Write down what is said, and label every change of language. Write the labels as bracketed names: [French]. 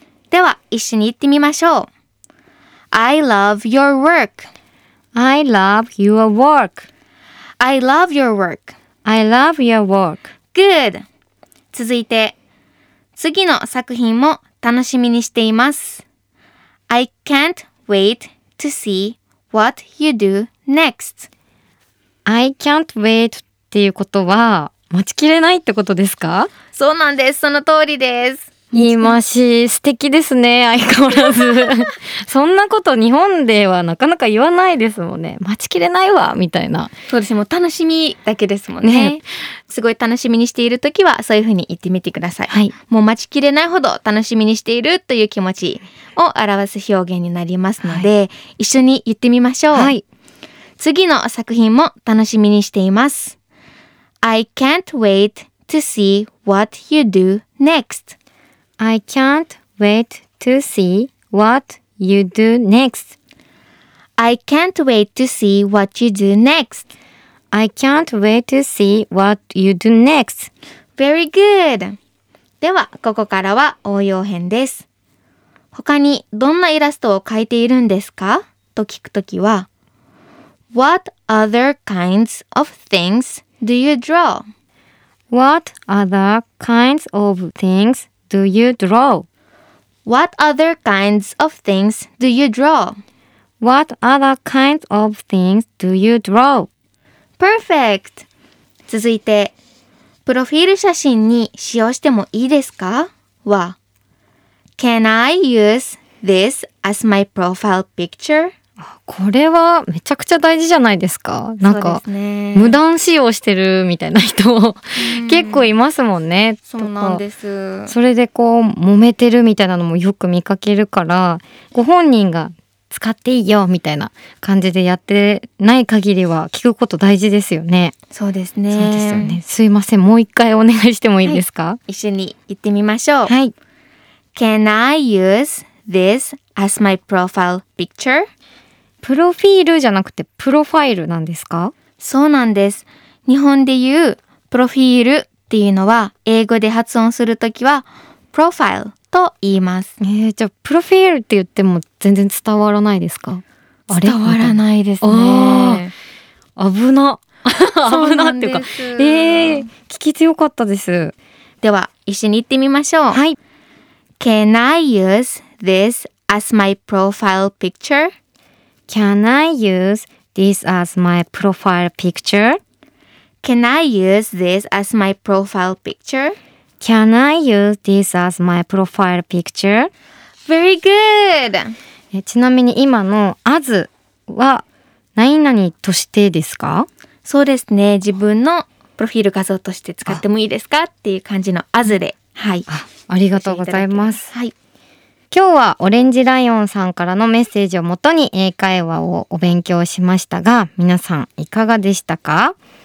[Japanese] では一緒に言ってみましょう。 [English] I love your work. I love your work. I love your work. I love your work. Good. [Japanese] 続いて、次の作品も楽しみにしています。 [English] I can't wait to see what you do next. I can't wait [Japanese] っていうことは待ちきれないってことですか？そうなんです。その通りです。言いまし、素敵ですね。相変わらず。そんなこと日本ではなかなか言わないですもんね。待ちきれないわ、みたいな。そうですね。もう楽しみだけですもんね。ね、すごい楽しみにしているときはそういうふうに言ってみてください。はい。もう待ちきれないほど楽しみにしているという気持ちを表す表現になりますので、はい、一緒に言ってみましょう。はい。次の作品も楽しみにしています。 [English] I can't wait to see what you do next. I can't wait to see what you do next. I can't wait to see what you do next. I can't wait to see what you do next. Very good. [Japanese] ではここからは応用編です。他にどんなイラストを描いているんですか？と聞くときは、 [English] What other kinds of things do you draw? What other kinds of things do you draw? What other kinds of things do you draw? What other kinds of things do you draw? Perfect! [Japanese] 続いて、プロフィール写真に使用してもいいですか？は、 [English] Can I use this as my profile picture? [Japanese] これはめちゃくちゃ大事じゃないですか。なんか、ね、無断使用してるみたいな人結構いますもんね。そうなんです。それでこう揉めてるみたいなのもよく見かけるから、ご本人が使っていいよみたいな感じでやってない限りは聞くこと大事ですよね。そうですね。そうですよね。すいません、もう一回お願いしてもいいですか。は一緒に言ってみましょう。はい。 [English] Can I use this as my profile picture? [Japanese] プロフィールじゃなくてプロファイルなんですか？そうなんです。日本で言うプロフィールっていうのは英語で発音するときはプロファイルと言います。じゃあプロフィールって言っても全然伝わらないですか？伝わらないですね。あ、危な。危なっていうか。聞き強かったです。では一緒に行ってみましょう。はい。 [English] Can I use this as my profile picture? Can I use this as my profile picture? Can I use this as my profile picture? Can I use this as my profile picture? Very good! [Japanese] ちなみに今の as は何々としてですか？そうですね。自分のプロフィール画像として使ってもいいですかっていう感じの as で。はい。ありがとうございます。はい。今日はオレンジライオンさんからのメッセージをもとに英会話をお勉強しましたが、皆さんいかがでしたか？